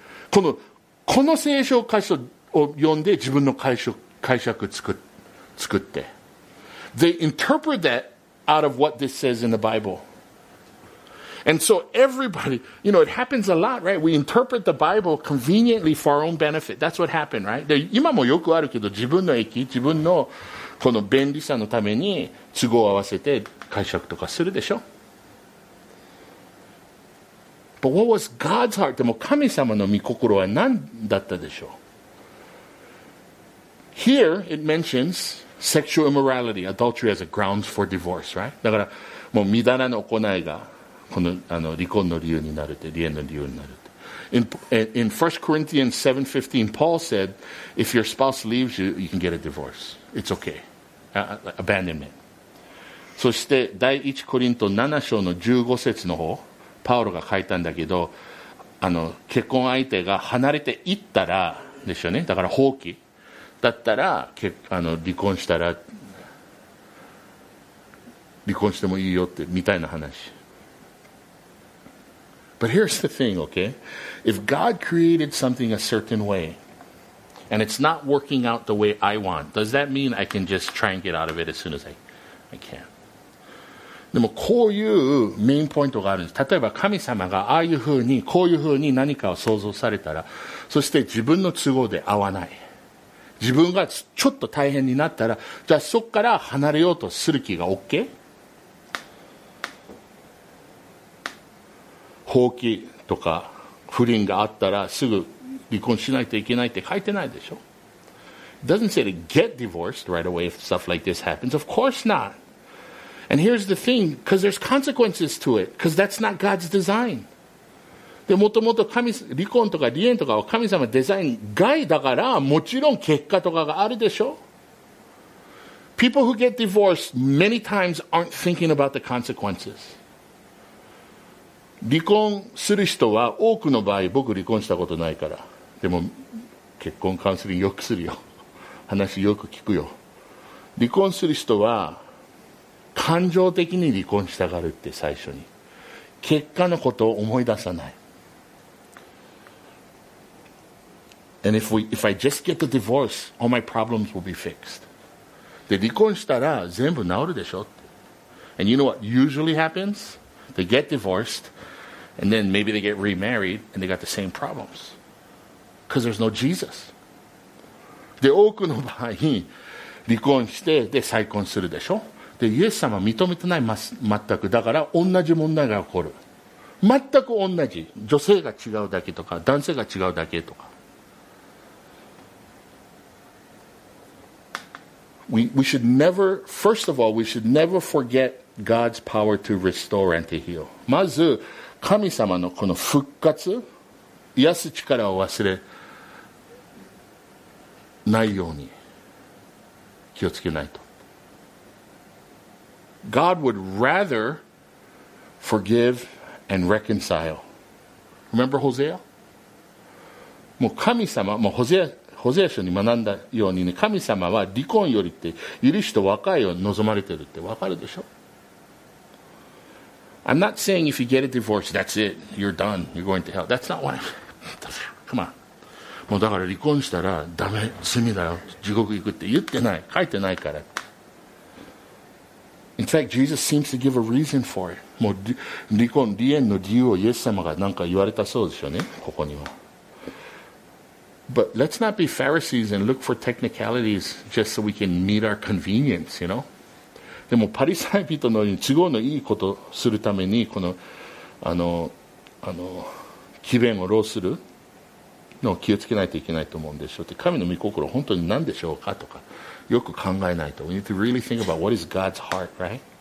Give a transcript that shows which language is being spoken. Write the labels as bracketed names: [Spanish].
[Japanese] この聖書箇所を読んで自分の解釈作って。 [English] They interpret that out of what this says in the Bible. And so everybody, you know, it happens a lot, right? We interpret the Bible conveniently for our own benefit. That's what happened, right? [Japanese] 今もよくあるけど、自分の益、自分のこの便利さのために都合を合わせて解釈とかするでしょ。 [English] But what was God's heart? [Japanese] でも神様の御心は何だったでしょう? [English] Here it mentions sexual immorality, adultery as a grounds for divorce, right? [Japanese] だからもう乱らぬ行いがこの、あの離婚の理由になるって、離縁の理由になるって。 [English] In 1 Corinthians 7:15, Paul said, if your spouse leaves you, you can get a divorce. It's okay. Abandonment. [Japanese] そして第1コリント7章の15節の方、パウロが書いたんだけど、あの結婚相手が離れていったらでしょうね、だから放棄だったら、あの離婚したら離婚してもいいよってみたいな話。 [English] But here's the thing, okay? If God created something a certain way and it's not working out the way I want, does that mean I can just try and get out of it as soon as I can? [Japanese] でもこういうメインポイントがあるんです。例えば神様がああいうふうにこういうふうに何かを想像されたら、そして自分の都合で合わない、自分がちょっと大変になったら、じゃあそこから離れようとする気が OK? 放棄とか不倫があったらすぐ離婚しないといけないって書いてないでしょ。 [English] It doesn't say to get divorced right away if stuff like this happens. Of course notAnd here's the thing, because there's consequences to it, because that's not God's design. [Japanese] で、もともと離婚とか離縁とかは神様デザイン外だから、もちろん結果とかがあるでしょ。 [English] People who get divorced many times aren't thinking about the consequences. [Japanese] 離婚する人は多くの場合、僕離婚したことないから、でも結婚カウンセリングよくするよ。話よく聞くよ。離婚する人は、感情的に離婚したがるって、最初に結果のことを思い出さない。 [English] And if I just get the divorce, all my problems will be fixed. [Japanese] で、離婚したら全部治るでしょって。 [English] And you know what usually happens? They get divorced and then maybe they get remarried and they got the same problems. Because there's no Jesus. [Japanese] で、多くの場合離婚してで再婚するでしょ。でイエス様認めてない、全く。だから同じ問題が起こる。全く同じ、女性が違うだけとか男性が違うだけとか。 [English] we should never, first of all, we should never forget God's power to restore and to heal. [Japanese] まず神様のこの復活、癒す力を忘れないように気をつけないと。 [English] God would rather forgive and reconcile. Remember Hosea? [Japanese] もう神様、もうホゼア書に学んだようにね、神様は離婚よりって許しと和解を望まれてるって分かるでしょ。 [English] I'm not saying if you get a divorce, that's it. You're done. You're going to hell. That's not what I'm saying. Come on. [Japanese] もうだから離婚したらダメ、罪だよ、地獄行くって言ってない、書いてないから。 [English] In fact, Jesus seems to give a reason for it. [Japanese] もう離婚、離縁の理由をイエス様が何か言われたそうですよね、ここには。 [English] But let's not be Pharisees and look for technicalities just so we can meet our convenience, you know? [Japanese] でもパリサイ人のように都合のいいことをするためにこの詭弁を浪するのを気をつけないといけないと思うんでしょうって神の御心は本当に何でしょうかとかよく考えないと [English] We need to really think about what is God's heart, right?